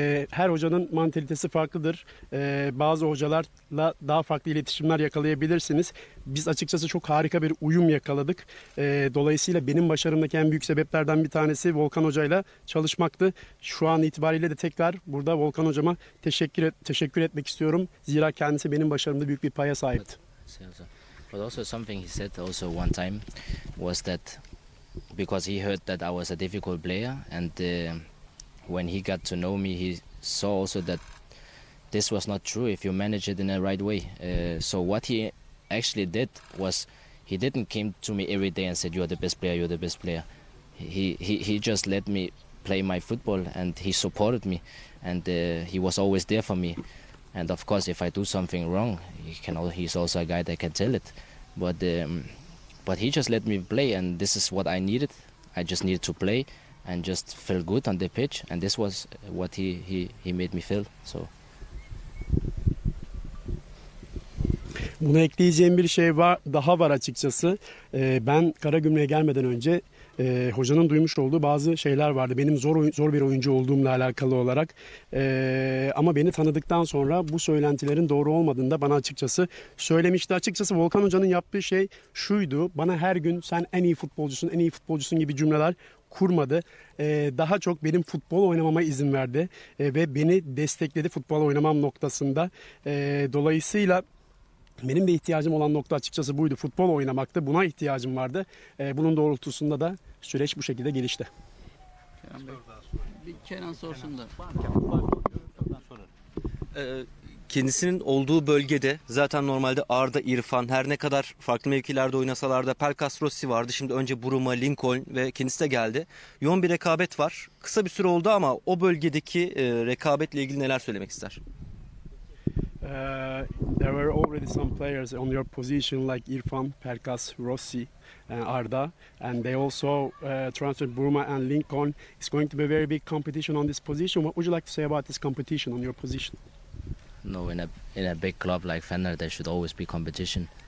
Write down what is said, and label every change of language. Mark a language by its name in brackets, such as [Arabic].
[Turkish] Her hocanın mantalitesi farklıdır. Bazı hocalarla daha farklı iletişimler yakalayabilirsiniz. Biz açıkçası çok harika bir uyum yakaladık. Dolayısıyla benim başarımdaki en büyük sebeplerden bir tanesi Volkan Hoca'yla çalışmaktı. Şu an itibariyle de tekrar burada Volkan Hocama teşekkür etmek istiyorum. Zira kendisi benim başarımda büyük bir paya sahipti. [English] But also something he said also one time was that because he heard that I was a difficult player, and when he got to know me, he saw also that this was not true if you manage it in the right way. So what he actually did was he didn't came to me every day and said you're the best player. He just let me play my football and he supported me, and he was always there for me. And of course, if I do something wrong, he's also a guy that can tell it. But But he just let me play, and this is what I needed. I just needed to play and just feel good on the pitch, and this was what he made me feel. So. [Turkish] Buna ekleyeceğim bir şey var, daha var açıkçası. Ben Karagümrük'e gelmeden önce hocanın duymuş olduğu bazı şeyler vardı. Benim zor bir oyuncu olduğumla alakalı olarak. Ama beni tanıdıktan sonra bu söylentilerin doğru olmadığını da bana açıkçası söylemişti. Açıkçası Volkan Hoca'nın yaptığı şey şuydu. Bana her gün sen en iyi futbolcusun, en iyi futbolcusun gibi cümleler kurmadı. Daha çok benim futbol oynamama izin verdi. Ve beni destekledi futbol oynamam noktasında. Dolayısıyla... Benim de ihtiyacım olan nokta açıkçası buydu. Futbol oynamaktı. Buna ihtiyacım vardı. Bunun doğrultusunda da süreç bu şekilde gelişti. Kenan Bey, bir Kenan sorsun da. Kendisinin olduğu bölgede zaten normalde Arda, İrfan her ne kadar farklı mevkilerde oynasalar da Pelkas Rossi vardı. Şimdi önce Bruma, Lincoln ve kendisi de geldi. Yoğun bir rekabet var. Kısa bir süre oldu ama o bölgedeki rekabetle ilgili neler söylemek ister? [English] There were already some players on your position like Irfan, Pelkas, Rossi, Arda, and they also transferred Bruma and Lincoln. It's going to be a very big competition on this position. What would you like to say about this competition on your position? No, in a big club like Fener, there should always be competition.